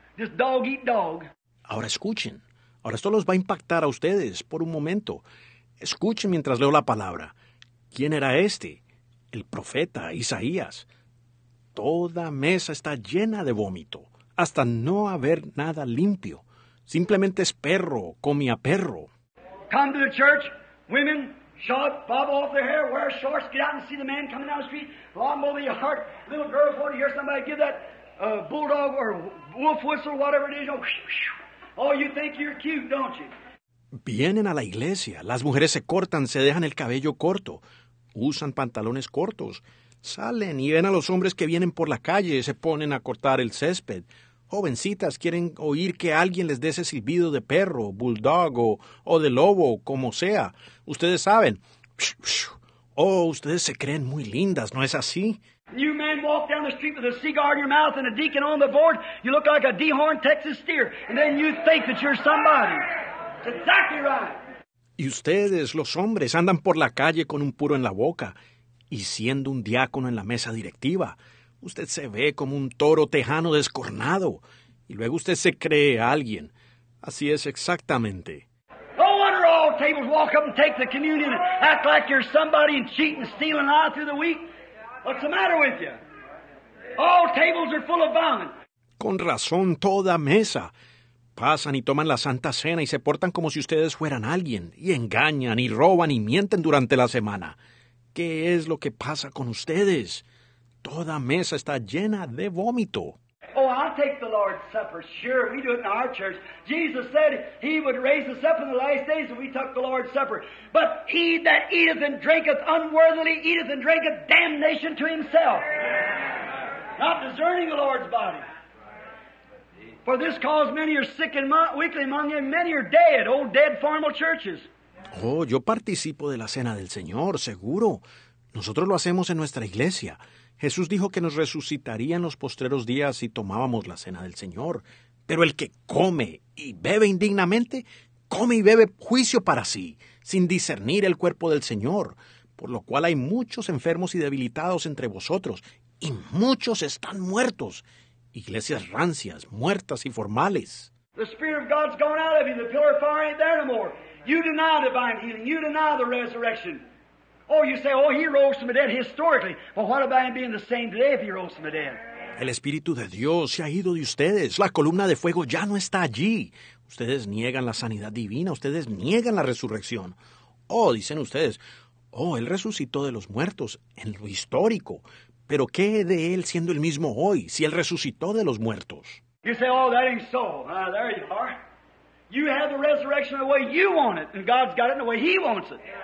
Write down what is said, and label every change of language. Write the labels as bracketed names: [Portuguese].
[English] Just dog eat dog. [Spanish] Ahora escuchen. Ahora esto los va a impactar a ustedes por un momento. Escuchen mientras leo la palabra. ¿Quién era este? El profeta Isaías. Toda mesa está llena de vómito, hasta no haber nada limpio. Simplemente es perro, come a perro. [English] Come to the church, women, shot, bob off their hair, wear shorts, get out and see the man coming down the street, lomb over your heart, little girls want to hear somebody give that bulldog or wolf whistle, whatever it is, oh, you think you're cute, don't you? [Spanish] Vienen a la iglesia, las mujeres se cortan, se dejan el cabello corto, usan pantalones cortos, salen y ven a los hombres que vienen por la calle y se ponen a cortar el césped. Jovencitas quieren oír que alguien les dé ese silbido de perro, bulldog o de lobo, como sea. Ustedes saben. Oh, ustedes se creen muy lindas, ¿no es así? [English] You man walk down the street with a cigar in your mouth and a deacon on the board. You look like a dehorned Texas steer. And then you think that you're somebody. That's exactly right. [Spanish] Y ustedes, los hombres, andan por la calle con un puro en la boca. Y siendo un diácono en la mesa directiva, usted se ve como un toro tejano descornado. Y luego usted se cree a alguien. Así es exactamente. [English] No wonder all tables walk up and take the communion and act like you're somebody and cheat and steal and lie through the week. What's the matter with you? All tables are full of vomit. [Spanish] Con razón, toda mesa. Pasan y toman la Santa Cena y se portan como si ustedes fueran alguien. Y engañan y roban y mienten durante la semana. ¿Qué es lo que pasa con ustedes? Toda mesa está llena de vómito. [English] Oh, I'll take the Lord's Supper. Sure, we do it in our church. Jesus said he would raise us up in the last days if we took the Lord's Supper. But he that eateth and drinketh unworthily eateth and drinketh damnation to himself. Yeah. Not discerning the Lord's body. For this cause many are sick and weakly among you, and many are dead, old dead formal churches. [Spanish] Oh, yo participo de la cena del Señor, seguro. Nosotros lo hacemos en nuestra iglesia. Jesús dijo que nos resucitaría en los postreros días si tomábamos la cena del Señor. Pero el que come y bebe indignamente, come y bebe juicio para sí, sin discernir el cuerpo del Señor. Por lo cual hay muchos enfermos y debilitados entre vosotros, y muchos están muertos. Iglesias rancias, muertas y formales. [English] The Spirit of God's gone out of you. The pillar of fire ain't there no more. You deny divine healing. You deny the resurrection. Oh, you say, oh, he rose from the dead historically. But what about him being the same today if he rose from the dead? [Spanish] El Espíritu de Dios se ha ido de ustedes. La columna de fuego ya no está allí. Ustedes niegan la sanidad divina. Ustedes niegan la resurrección. Oh, dicen ustedes, oh, él resucitó de los muertos en lo histórico. Pero ¿qué de él siendo el mismo hoy, si él resucitó de los muertos? [English] You say, oh, that ain't so. There you are. You have the resurrection the way you want it, and God's got it the way he wants it.